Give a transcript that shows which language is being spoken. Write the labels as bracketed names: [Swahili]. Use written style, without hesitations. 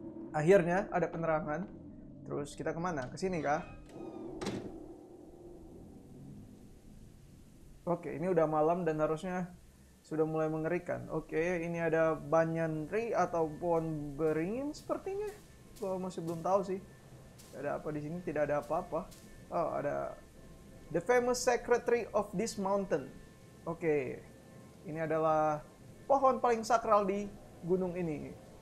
[Indonesian] Akhirnya ada penerangan. Terus kita kemana? Kesini kah? Oke, ini udah malam dan harusnya sudah mulai mengerikan. Oke, ini ada banyan tree ataupun beringin sepertinya. Gua masih belum tahu sih. Ada apa di sini? Tidak ada apa-apa. [English] Oh, [Indonesian] ada [English] the famous sacred tree of this mountain. [Indonesian] Oke, ini adalah pohon paling sakral di gunung ini.